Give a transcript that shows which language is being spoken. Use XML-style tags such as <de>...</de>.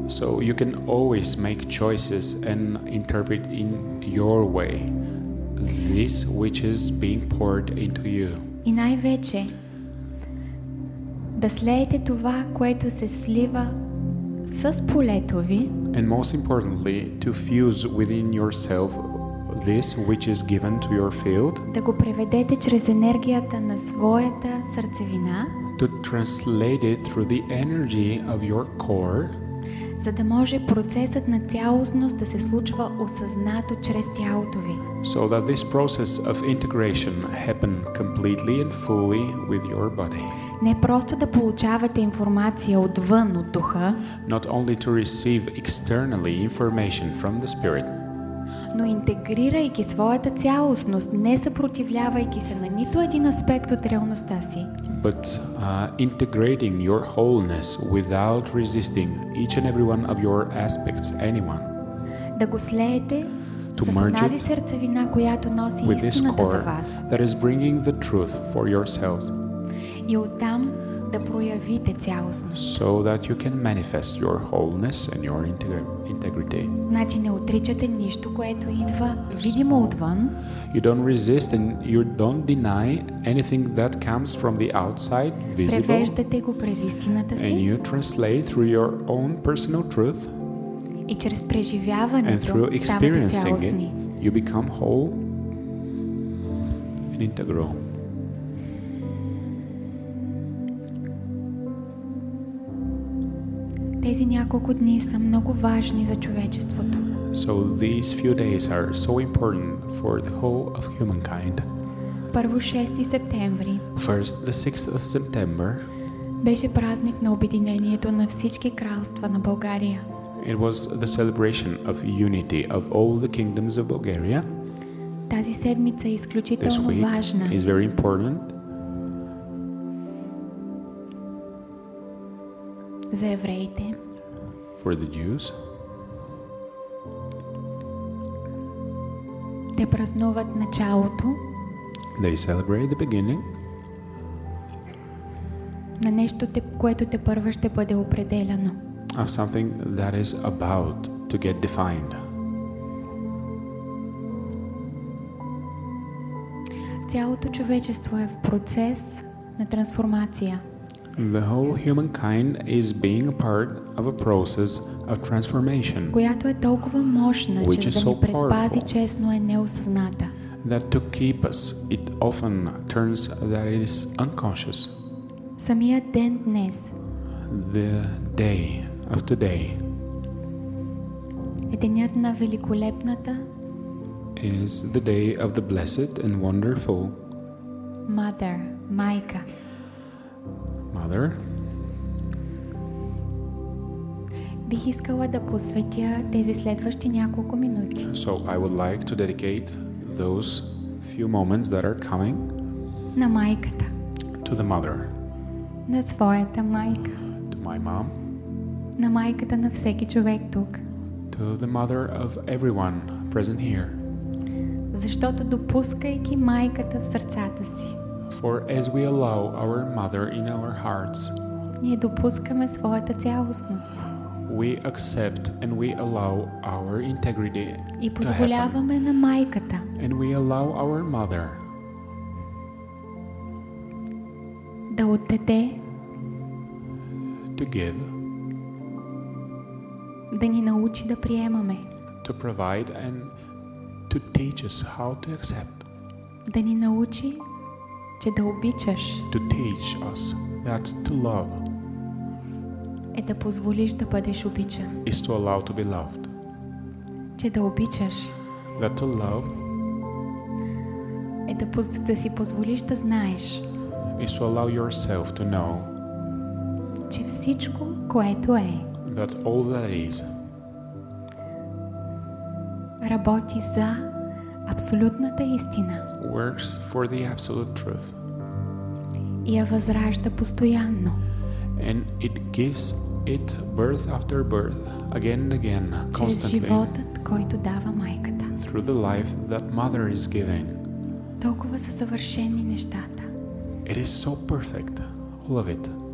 <en>So you can always make choices and interpret in your way this which is being poured into you.</en> <bg>И най-вече да слеете това, което се слива с полето ви.</bg> <en>And most importantly, to fuse within yourself this which is given to your field,</en> <bg>да го преведете чрез енергията на своята сърцевина,</bg> <en>to translate it through the energy of your core,</en> <bg>за да може процесът на цялостност да се случва осъзнато чрез тялото ви,</bg> <en>so that this process of integration happen completely and fully with your body.</en> <bg>Не просто да получавате информация отвън от духа,</bg> <en>not only to receive externally information from the spirit,</en> <bg>но интегрирайки своята цялостност, не съпротивлявайки се на нито един аспект от реалността си,</bg> <en>but integrating your wholeness without resisting each and every one of your aspects, anyone,</en> <bg>да го слеете с тази сърцевина, която носи истината за вас,</bg> <en>that is bringing the truth for yourself,</en> <bg>и оттам да проявите цялостност,</bg> <en>so that you can manifest your wholeness and your integrity.</en> <bg>Значи не отричате нищо, което идва видимо отвън.</bg> <en>You don't resist and you don't deny anything that comes from the outside visible.</en> <bg>Превеждате го през истината си.</bg> <en>And you translate through your own personal truth.</en> <bg>И чрез преживяването,</bg> <en>and through experiencing it, you become whole and integral.</en> <bg>Тези няколко дни са много важни за човечеството.</bg> <en>So these few days are so important for the whole of humankind.</en> <bg>Първо 6 септември.</bg> <en>First the 6th of September.</en> <bg>Беше празник на обединението на всички кралства на България.</bg> <en>It was the celebration of unity of all the kingdoms of Bulgaria.</en> <bg>Тази седмица е изключително важна.</bg> <en>This week is very important.</en> <bg>За евреите.</bg> <en>For the Jews.</en> <bg>Те празнуват началото.</bg> <en>They celebrate the beginning.</en> <bg>На нещо, което те първо ще бъде определено.</bg> <en>Of something that is about to get defined.</en> <bg>Цялото човечество е в процес на трансформация.</bg> <en>The whole humankind is being a part of a process of transformation,</en> <bg>която е толкова мощна, че да ни предпази честно е неосъзната.</bg> <en>that to keep us, it often turns that it is unconscious.</en> <bg>Самия ден днес.</bg> <en>The day of today.</en> <bg>Е денят на великолепната.</bg> <en>Is the day of the blessed and wonderful.</en> <bg>Mother, майка.</bg> <en>Mother.</en> <bg>Бих искала да посветя тези следващи няколко минути.</bg> <en>So I would like to dedicate those few moments that are coming.</en> <bg>На майката.</bg> <en>To the mother.</en> <bg>На своята майка.</bg> <en>To my mom.</en> <bg>На майката на всеки човек тук.</bg> <en>To the mother of everyone present here.</en> <bg>Защото допускайки майката в сърцата си.</bg> <en>For as we allow our mother in our hearts.</en> <bg>Ние допускаме своята цялостност.</bg> <en>We accept and we allow our integrity.</en> <bg>И позволяваме на майката.</bg> <en>And we allow our mother.</en> <bg>Да отдаде.</bg> <en>To give.</en> <bg>Да ни научи да приемаме.</bg> <en>To provide and to teach us how to accept.</en> <bg>Да ни научи, че да обичаш.</bg> <en>To teach us that to love.</en> <bg>Е да позволиш да бъдеш обичан.</bg> <en>Is to allow to be loved.</en> <bg>Че да обичаш.</bg> <en>That to love.</en> <bg>Е да да си позволиш да знаеш.</bg> <en>Is to allow yourself to know.</en> <bg>Че всичко, което е.</bg> <en>That all that is.</en> <bg>Работи за абсолютната истина.</bg> <en>Works for the absolute truth.</en> <bg>И я възражда постоянно.</bg> <en>And it gives it birth after birth, again and again, constantly.</en> <bg>Чрез животът, който дава майката.</bg> <en>Through the life that mother is giving.</en> <bg>Толкова са съвършени нещата.</bg> <en>It is so perfect, all of it.</en>